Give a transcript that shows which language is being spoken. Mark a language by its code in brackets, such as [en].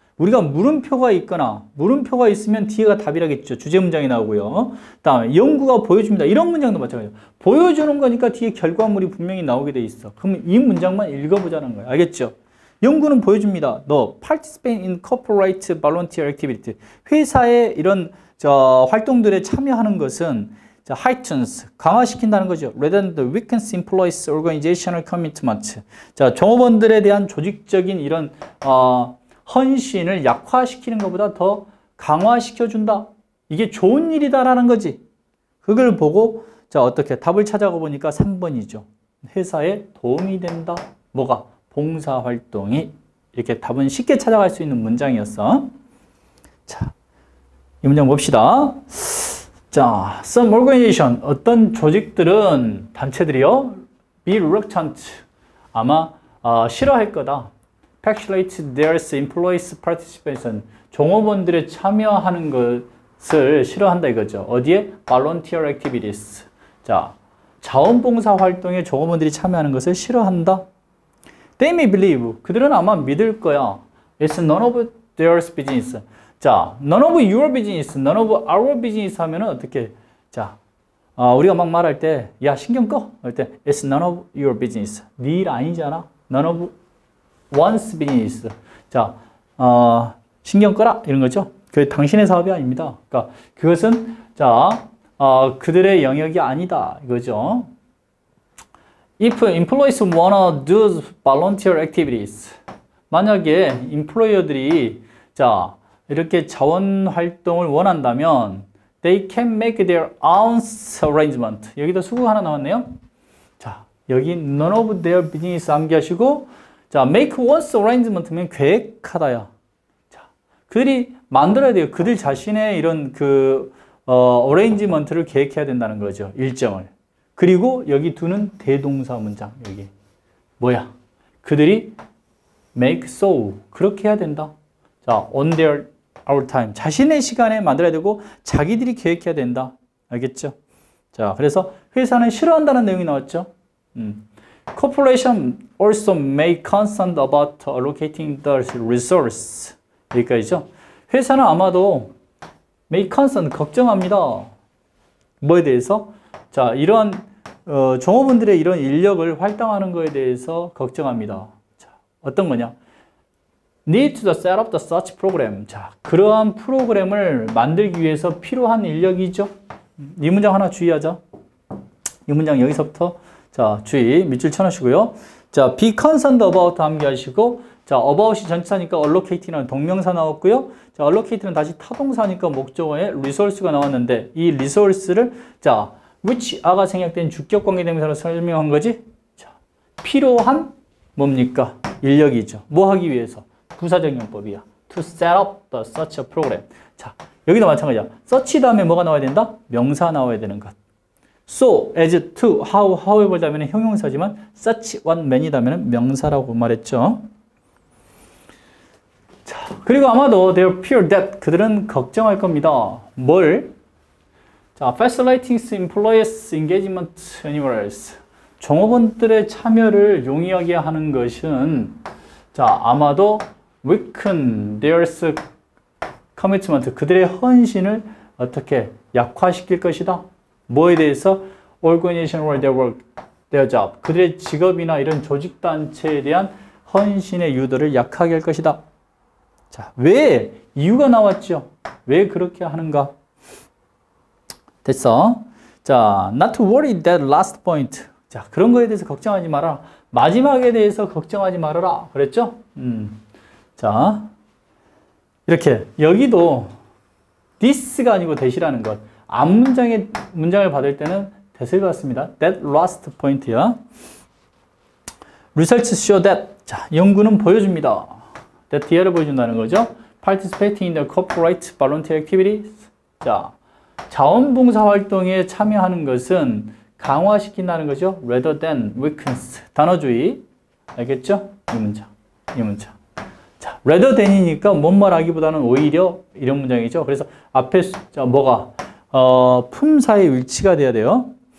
[ko] 우리가 물음표가 있거나 물음표가 있으면 뒤에가 답이라겠죠. 주제 문장이 나오고요. 다음에 연구가 보여줍니다. 이런 문장도 마찬가지예요. 보여주는 거니까 뒤에 결과물이 분명히 나오게 돼 있어. 그럼 이 문장만 읽어보자는 거예요. 알겠죠? 연구는 보여줍니다. [en] 너 participate in corporate volunteer activity. [ko] 회사의 이런 저 활동들에 참여하는 것은 [en] heightens, [ko] 강화시킨다는 거죠. [en] rather than the weakens employees organizational commitment. [ko] 자, 종업원들에 대한 조직적인 이런 헌신을 약화시키는 것보다 더 강화시켜준다. 이게 좋은 일이다라는 거지. 그걸 보고 자 어떻게 답을 찾아가 보니까 3번이죠. 회사에 도움이 된다. 뭐가? 봉사활동이. 이렇게 답은 쉽게 찾아갈 수 있는 문장이었어. 자, 이 문장 봅시다. 자, [en] some organization, [ko] 어떤 조직들은, 단체들이요, [en] be reluctant, [ko] 아마 싫어할 거다. [en] Facilitate their employees participation. [ko] 종업원들의 참여하는 것을 싫어한다 이거죠. 어디에? [en] Volunteer activities. [ko] 자, 자원봉사 활동에 종업원들이 참여하는 것을 싫어한다. [en] They may believe. [ko] 그들은 아마 믿을 거야. [en] It's none of their business. [ko] 자, [en] none of your business, none of our business [ko] 하면은 어떻게? 자, 우리가 막 말할 때, 야, 신경 꺼! 할 때, [en] it's none of your business. [ko] 네 일 아니잖아. [en] None of one's business. [ko] 자, 신경 꺼라! 이런 거죠. 그게 당신의 사업이 아닙니다. 그러니까, 그것은, 자, 그들의 영역이 아니다. 이거죠. [en] If employees wanna do volunteer activities. [ko] 만약에 employer들이, 자, 이렇게 자원활동을 원한다면 [en] they can make their own arrangement. [ko] 여기다 수고 하나 나왔네요. 자, 여기 [en] none of their business [ko] 암기하시고 자, make one arrangement 하면 계획하다야. 자, 그들이 만들어야 돼요. 그들 자신의 이런 그 arrangement를 계획해야 된다는 거죠. 일정을. 그리고 여기 두는 대동사 문장. 여기 뭐야? 그들이 make so 그렇게 해야 된다. 자, [en] on their our time. [ko] 자신의 시간에 만들어야 되고 자기들이 계획해야 된다. 알겠죠? 자, 그래서 회사는 싫어한다는 내용이 나왔죠. [en] Corporation also may concerned about allocating the resource. [ko] 여기까지죠. 회사는 아마도 [en] may concerned [ko] 걱정합니다. 뭐에 대해서? 자, 이러한 종업원들의 이런 인력을 활동하는 거에 대해서 걱정합니다. 자, 어떤 거냐? [en] Need to set up the such program. [ko] 자, 그러한 프로그램을 만들기 위해서 필요한 인력이죠. 이 문장 하나 주의하자. 이 문장 여기서부터 자 주의 밑줄 쳐놓으시고요. 자, be concerned about 암기하시고 자, about이 전치사니까 allocate는 동명사 나왔고요. 자, allocate는 다시 타동사니까 목적어에 resource가 나왔는데 이 resource를 자, which 아가 생략된 주격관계대명사로 설명한 거지. 자, 필요한 뭡니까? 인력이죠. 뭐 하기 위해서? 부사적 용법이야. [en] To set up the such a program. [ko] 자, 여기도 마찬가지야. Such 다음에 뭐가 나와야 된다? 명사 나와야 되는 것. So, as, to, how, however 다음에는 형용사지만 such, one, many 다음에 명사라고 말했죠. 자, 그리고 아마도 [en] they fear that [ko] 그들은 걱정할 겁니다. 뭘? [en] 자, facilitating employees engagement anyways. [ko] 종업원들의 참여를 용이하게 하는 것은 자, 아마도 [en] weaken their commitment, [ko] 그들의 헌신을 어떻게 약화시킬 것이다. 뭐에 대해서? [en] Organization or their work, their job. [ko] 그들의 직업이나 이런 조직단체에 대한 헌신의 유도를 약하게 할 것이다. 자, 왜? 이유가 나왔죠. 왜 그렇게 하는가? 됐어. [en] 자, not to worry that last point. [ko] 자, 그런 거에 대해서 걱정하지 마라. 마지막에 대해서 걱정하지 말아라. 그랬죠? 자, 이렇게 여기도 this가 아니고 that이라는 것. 앞 문장의 문장을 받을 때는 that을 받습니다. [en] That last point [ko] 야. [en] Research show that. [ko] 자, 연구는 보여줍니다. That here를 보여준다는 거죠. [en] Participating in the corporate volunteer activities. [ko] 자, 자원봉사 활동에 참여하는 것은 강화시킨다는 거죠. [en] Rather than weakens. [ko] 단어주의. 알겠죠? 이 문장. 이 문장. rather than이니까 뭔 말하기보다는 오히려 이런 문장이죠. 그래서 앞에 자, 뭐가 품사의 위치가 돼야 돼요.